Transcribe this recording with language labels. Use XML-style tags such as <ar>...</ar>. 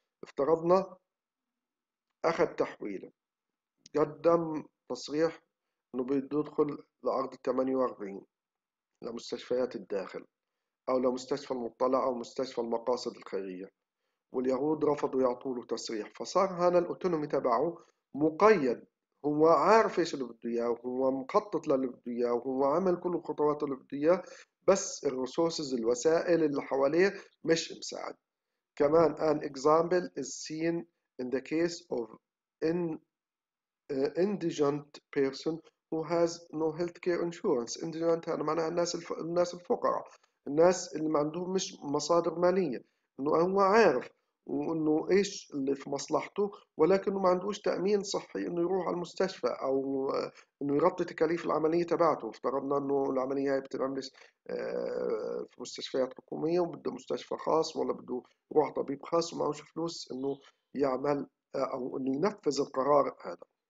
<ar>افترضنا أخذ تحويلة قدم تصريح إنه بيدخل لعرض 48 لمستشفيات الداخل أو لمستشفى المطلع أو مستشفى المقاصد الخيرية واليهود رفضوا يعطوا له تصريح، فصار هنا الأوتونومي تبعه مقيد، هو عارف ايش اللي بده اياه وهو مخطط للي بده اياه وهو عمل كل الخطوات اللي بده اياه، بس الريسورسز الوسائل اللي حواليه مش مساعد.</ar> <en>كمان an example is seen in the case of an indigent person who has no healthcare insurance.</en> <ar>indigent هذا معناها الناس الفقراء، الناس اللي ما عندهم مش مصادر مالية، انه هو عارف وانه ايش اللي في مصلحته ولكنه ما عندهوش تأمين صحي انه يروح على المستشفى او انه يغطي تكاليف العملية تبعته. افترضنا انه العملية هاي بتتعمل في مستشفيات حكومية وبده مستشفى خاص ولا بده يروح طبيب خاص وما عندهوش فلوس انه يعمل او انه ينفذ القرار هذا.</ar>